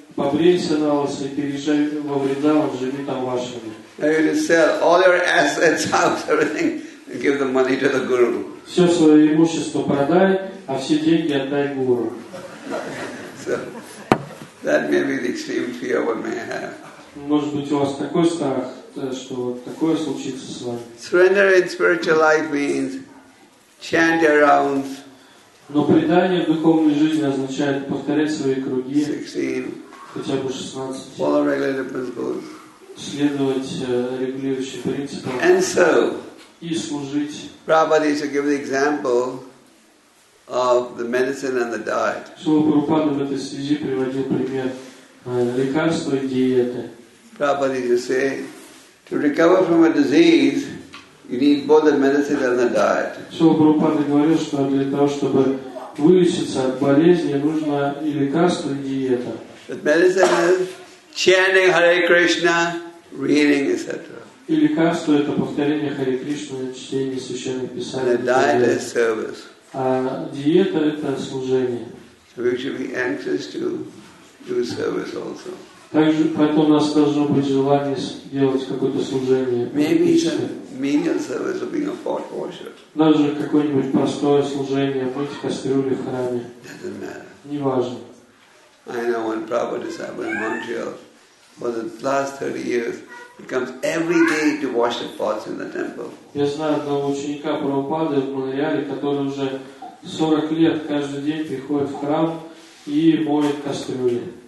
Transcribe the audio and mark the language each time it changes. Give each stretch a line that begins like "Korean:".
Russian: Побрейся на вас и переезжай во Вриндаван, живи там вашими.
English: You can sell all your assets, house, everything, and give the money to the guru.
Russian: Все свое имущество продай, а все деньги отдай гуру.
English: So, that may be the extreme fear one may have.
Russian: Может быть, у вас такой страх, что такое случится с вами.
English: Surrender in spiritual life means chant your rounds.
Russian: Но предание в духовной жизни означает повторять свои круги.
English: 16.
Russian: Хотя бы 16.
English: Follow regulative principles.
Russian: Следовать регулирующим принципам.
English: And so,
Russian: и служить.
English: Prabhupada used to give the example of the medicine and the diet.
Russian: Шрила Прабхупада в этой связи приводил пример лекарства и диеты.
English: Prabhupada used to say, to recover from a disease, you need both the medicine and the diet.
Russian: Шрила Прабхупада говорил, что для того, чтобы вылечиться от болезни, нужно и лекарство, и диета.
English: The medicine is chanting Hare Krishna, reading, etc.
Russian: И лекарство это повторение Харе Кришны, чтение священных писаний.
English: And the diet is service.
Russian: А диета это служение.
English: So we should be anxious to do service also.
Russian: Также поэтому у нас должно быть желание делать какое-то служение.
English: Maybe some menial service of being a pot washer.
Russian: Даже какое-нибудь простое служение, мыть кастрюли в храме.
English: Doesn't matter.
Russian: Не важно.
English: I know one Prabhupada disciple in Montreal for the last 30 years he comes every day to wash the pots in the temple.
Russian: Я знаю одного ученика Прабхупады в Монреале, который уже 40 лет каждый день приходит в храм и моет кастрюли.